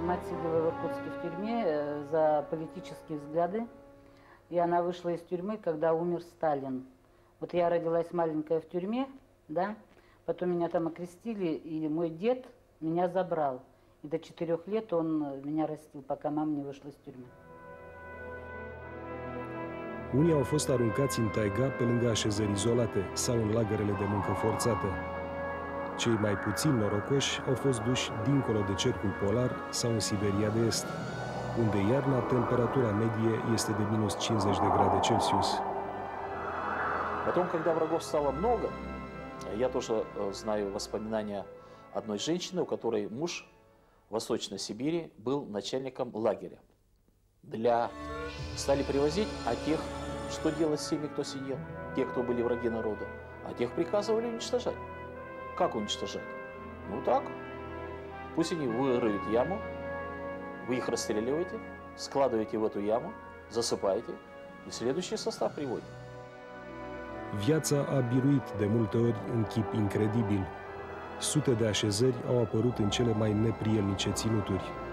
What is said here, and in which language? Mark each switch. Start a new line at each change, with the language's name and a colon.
Russian: Мать сидела в Иркутске в тюрьме за политические взгляды. И она вышла из тюрьмы, когда умер Сталин. Вот я родилась маленькая в тюрьме, да, потом меня там окрестили, и мой дед меня забрал. И до 4 лет он меня растил, пока мама не вышла из тюрьмы.
Romanian: Unii au fost aruncați în taiga pe lângă așezări izolate sau în lagărele de muncă forțată. Cei mai puțin norocoși au fost duși dincolo de cercul polar sau în Siberia de Est, unde iarna temperatura medie este de minus 50 de grade Celsius.
Russian: Потом, когда врагов стало много, я тоже знаю воспоминания одной женщины, у которой муж в Восточной Сибири был начальником лагеря. Для стали привозить, а тех, что делать с теми, кто сидел, те, кто были враги народа, а тех приказывали уничтожать. Как уничтожать? Ну так, пусть они вырыют яму, вы их расстреливаете, складываете в эту яму, засыпаете и следующий состав приводит.
Romanian: Viața a biruit de multe ori în chip incredibil. Sute de așezări au apărut în cele mai neprielnice ținuturi.